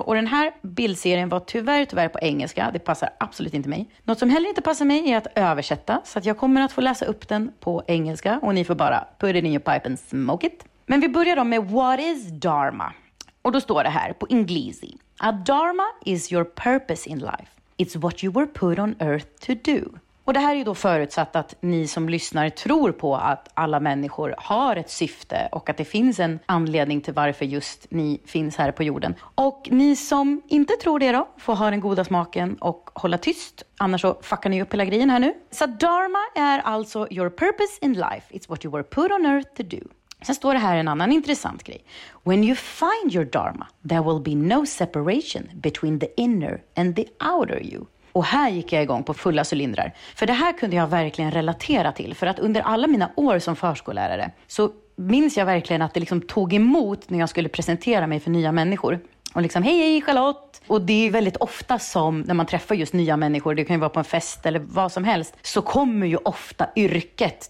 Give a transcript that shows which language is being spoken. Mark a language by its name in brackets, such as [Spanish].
[Swedish] Och den här bildserien var tyvärr på engelska. Det passar absolut inte mig. Något som heller inte passar mig är att översätta. Så att jag kommer att få läsa upp den på engelska. Och ni får bara [English] put it in your pipe and smoke it. [Swedish] Men vi börjar då med [English] what is Dharma? [Swedish] Och då står det här på inglesi. [English] A Dharma is your purpose in life. It's what you were put on earth to do. [Swedish] Och det här är ju då förutsatt att ni som lyssnar tror på att alla människor har ett syfte och att det finns en anledning till varför just ni finns här på jorden. Och ni som inte tror det då får ha den goda smaken och hålla tyst, annars så fuckar ni upp hela grejen här nu. Så Dharma är alltså [English] your purpose in life, it's what you were put on earth to do. [Swedish] Sen står det här en annan intressant grej. [English] When you find your Dharma, there will be no separation between the inner and the outer you. [Swedish] Och här gick jag igång på fulla cylindrar. För det här kunde jag verkligen relatera till. För att under alla mina år som förskollärare så minns jag verkligen att det liksom tog emot när jag skulle presentera mig för nya människor. Och liksom, hej, hej, Charlotte! Och det är väldigt ofta som när man träffar just nya människor, det kan ju vara på en fest eller vad som helst, så kommer ju ofta yrket.